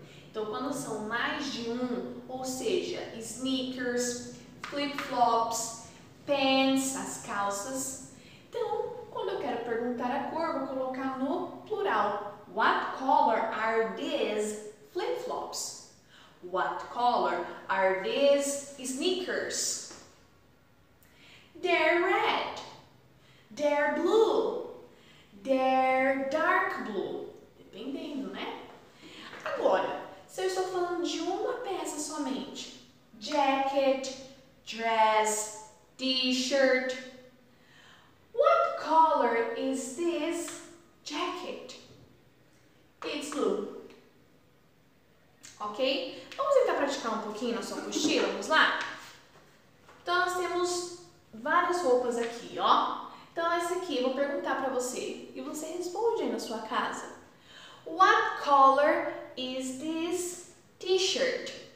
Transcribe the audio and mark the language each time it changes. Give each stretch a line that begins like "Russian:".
Portuguese: Então, quando são mais de um, ou seja, sneakers, flip-flops, pants, as calças. Então, quando eu quero perguntar a cor, vou colocar no plural.
English: What color are these flip-flops? What color are these sneakers? They're red. They're blue. They're dark blue.
Portuguese: Dependendo, né? Agora, se eu estou falando de uma peça somente, jacket, dress, t-shirt,
English: what color is this jacket? It's blue.
Portuguese: Ok? Vamos tentar praticar um pouquinho na sua mochila. Vamos lá? Então, nós temos várias roupas aqui, ó. Então, essa aqui eu vou perguntar pra você. E você responde aí na sua casa.
English: What color is this t-shirt?